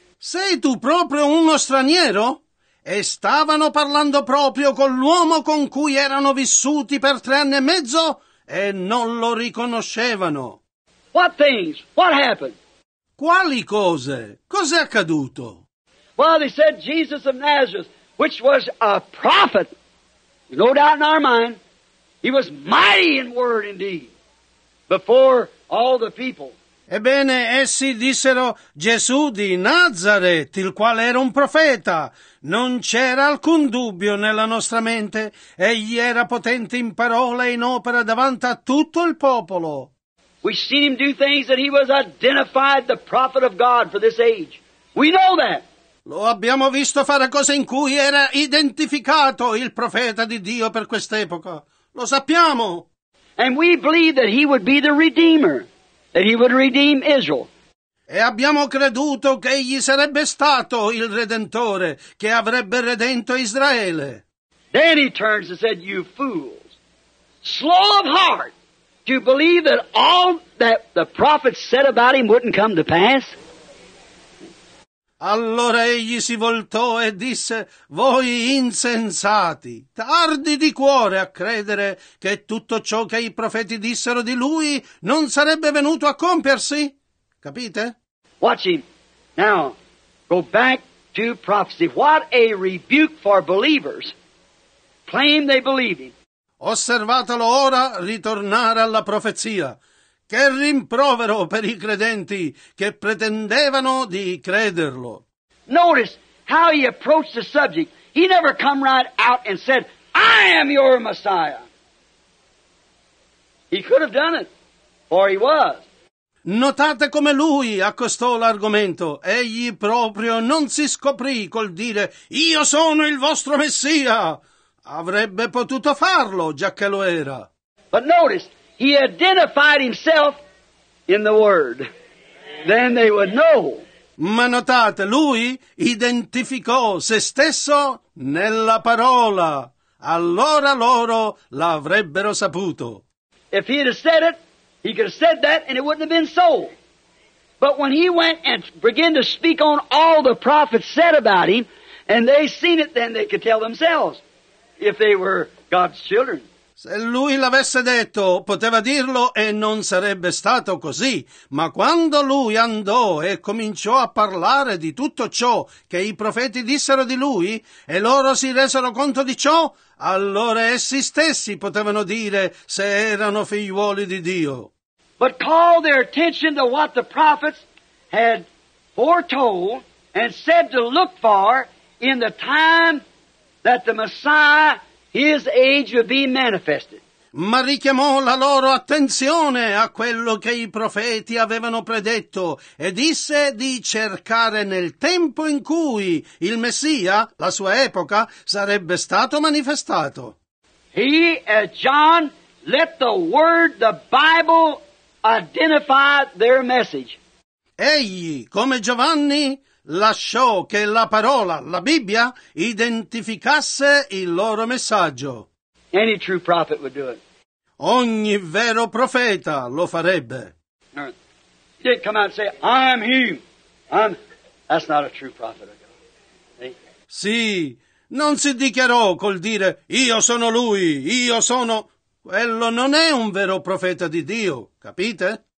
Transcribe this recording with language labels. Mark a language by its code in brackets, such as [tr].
[it] Sei tu proprio uno straniero? E stavano parlando proprio con l'uomo con cui erano vissuti per 3.5 anni e non lo riconoscevano. [en] What things? What happened? [it] Quali cose? Cos'è accaduto? [en] Well, they said Jesus of Nazareth, which was a prophet, no doubt in our mind, he was mighty in word and deed before all the people. [it] Ebbene, essi dissero, Gesù di Nazareth, il quale era un profeta. Non c'era alcun dubbio nella nostra mente. Egli era potente in parola e in opera davanti a tutto il popolo. [en] We seen him do things that he was identified the prophet of God for this age. We know that. [it] Lo abbiamo visto fare cose in cui era identificato il profeta di Dio per quest'epoca. Lo sappiamo. [en] And we believe that he would be the Redeemer. That he would redeem Israel. [it] E abbiamo creduto che egli sarebbe stato il Redentore, che avrebbe redento Israele. [en] Then he turns and said, you fools, slow of heart, to believe that all that the prophets said about him wouldn't come to pass? [it] Allora egli si voltò e disse, voi insensati, tardi di cuore a credere che tutto ciò che i profeti dissero di lui non sarebbe venuto a compiersi. Capite? [en] Watch him. Now, go back to prophecy. What a rebuke for believers. Claim they believe him. [it] Osservatelo ora, ritornare alla profezia. Che rimprovero per i credenti che pretendevano di crederlo. [en] Notice how he approached the subject. He never come right out and said, I am your Messiah. He could have done it, for he was. [it] Notate come lui accostò l'argomento. Egli proprio non si scoprì col dire, io sono il vostro Messia. Avrebbe potuto farlo, giacché lo era. [en] But notice, he identified himself in the Word. Then they would know. [it] Ma notate, lui identificò se stesso nella parola. Allora loro l'avrebbero saputo. [en] If he had said it, he could have said that and it wouldn't have been so. But when he went and began to speak on all the prophets said about him, and they seen it, then they could tell themselves if they were God's children. [it] Se lui l'avesse detto, poteva dirlo e non sarebbe stato così. Ma quando lui andò e cominciò a parlare di tutto ciò che i profeti dissero di lui, e loro si resero conto di ciò, allora essi stessi potevano dire se erano figliuoli di Dio. [en] But call their attention to what the prophets had foretold and said to look for in the time that the Messiah His age would be manifested. [it] Ma richiamò la loro attenzione a quello che i profeti avevano predetto e disse di cercare nel tempo in cui il Messia, la sua epoca, sarebbe stato manifestato. [en] He and John let the word, the Bible, identify their message. [it] Egli, come Giovanni, lasciò che la parola, la Bibbia, identificasse il loro messaggio. [en] Any true prophet would do it. [it] Ogni vero profeta lo farebbe. [en] He didn't come out and say, I'm him. That's not a true prophet of God. [it] Sì, non si dichiarò col dire, io sono lui, io sono... Quello non è un vero profeta di Dio, capite?